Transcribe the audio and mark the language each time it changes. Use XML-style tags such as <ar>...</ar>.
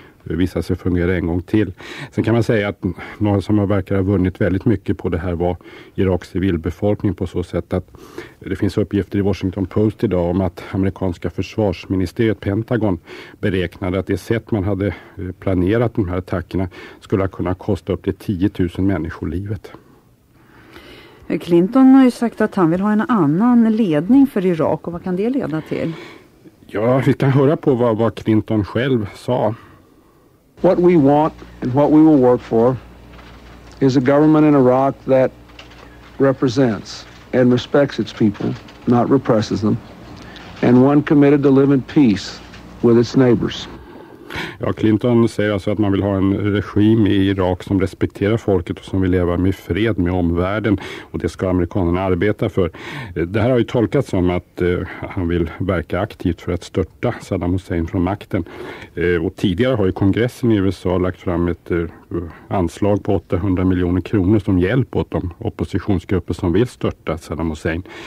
<sv>det visar sig fungera en gång till. Sen kan man säga att några som verkar ha vunnit väldigt mycket på det här var Iraks civilbefolkning på så sätt att det finns uppgifter i Washington Post idag om att amerikanska försvarsministeriet Pentagon beräknade att det sätt man hade planerat de här attackerna skulle kunna kosta upp till 10 000 människolivet. Clinton har ju sagt att han vill ha en annan ledning för Irak, och vad kan det leda till? Ja, vi kan höra på vad Clinton själv sa.</sv> <en>What we want and what we will work for is a government in Iraq that represents and respects its people, not represses them, and one committed to live in peace with its neighbors.</en> <sv>Ja, Clinton säger alltså att man vill ha en regim i Irak som respekterar folket och som vill leva med fred med omvärlden, och det ska amerikanerna arbeta för. Det här har ju tolkats som att han vill verka aktivt för att störta Saddam Hussein från makten. Och tidigare har ju kongressen i USA lagt fram ett anslag på 800 miljoner kronor som hjälp åt de oppositionsgrupper som vill störta Saddam Hussein.</sv>